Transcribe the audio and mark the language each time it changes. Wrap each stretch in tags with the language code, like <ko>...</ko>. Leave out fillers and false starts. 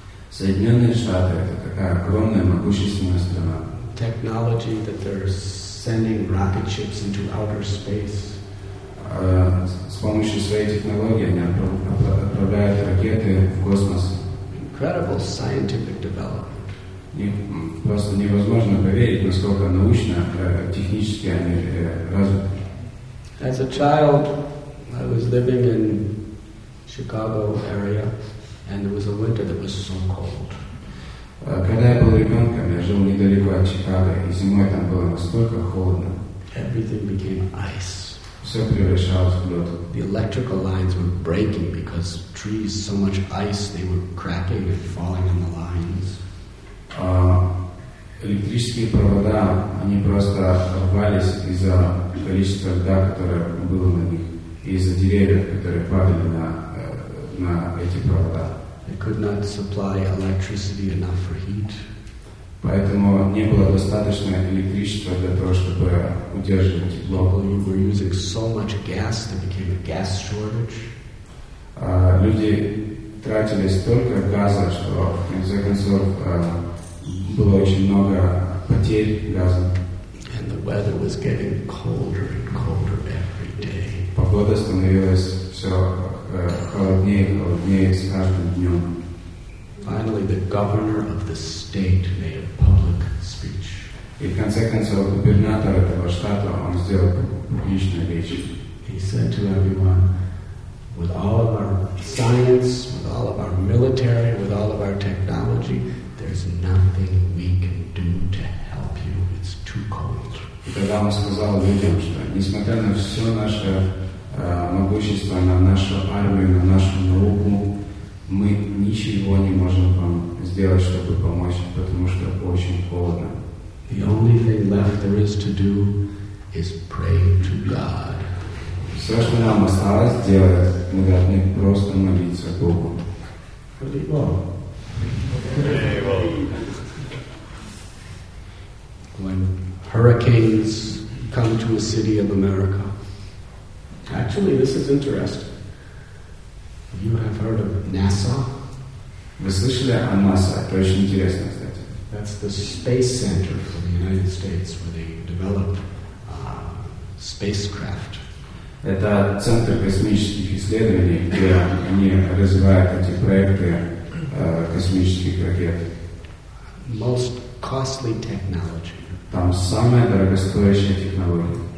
<ru>Соединенные Штаты — это такая огромная, могущественная страна.</ru> <en>Technology that they're sending rocket ships into outer space.</en> <ru>С помощью своей технологии они отправляют ракеты в космос.</ru> <en>Incredible scientific development.</en> <ru>Просто невозможно поверить, насколько научно, технически они развиты.</ru> <en>As a child, I was living in Chicago area, and it was a winter that was so cold.</en> <ru>Когда я был ребенком, я жил недалеко от Чикаго, и зимой там было настолько холодно.</ru> <en>Everything became ice.</en> <ru>Все превращалось в лед.</ru> <en>The electrical lines were breaking because trees, so much ice, they were cracking and falling on the lines.</en> <ru>Электрические провода, они просто рвались из-за количества льда, которое было на них, и из-за деревьев, которые падали на эти провода.</ru> <en>They could not supply electricity enough for heat.</en> <ru>Поэтому не было достаточно электричества для того, чтобы удерживать тепло.</ru> <en>We were using so much gas that became a gas shortage.</en> <ru>Люди тратили столько газа, что в конце концов было очень много потерь газа.</ru> <en>And the weather was getting colder and colder every day.</en> <ru>Погода становилась все холоднее и холоднее с каждым днем.</ru> <en>Finally, the governor of the state made a public speech.</en> <ru>И в конце концов, губернатор этого штата, он сделал публичную речь.</ru> <en>He said to everyone, with all of our science, with all of our military, with all of our technology, there's nothing we can do to help you. It's too cold.</en> <ru>И тогда он сказал людям, что несмотря на все наше могущество, на нашу армию, на нашу науку, мы ничего не можем вам сделать, чтобы помочь, потому что очень холодно.</ru> <en>The only thing left there is to do is pray to God.</en> <ru>Все, что нам осталось сделать, мы должны просто молиться Богу.</ru> <en>When hurricanes come to a city of America, actually, this is interesting. You have heard of NASA?</en> <ru>Вы слышали о NASA? Это очень интересно, кстати.</ru> <en>That's the space center for the United States, where they develop spacecraft.</en> <ru>Это центр космических исследований, где они развивают эти проекты космических ракет.</ru> <en>Most costly technology.</en> <ru>Там самая дорогостоящая технология.</ru>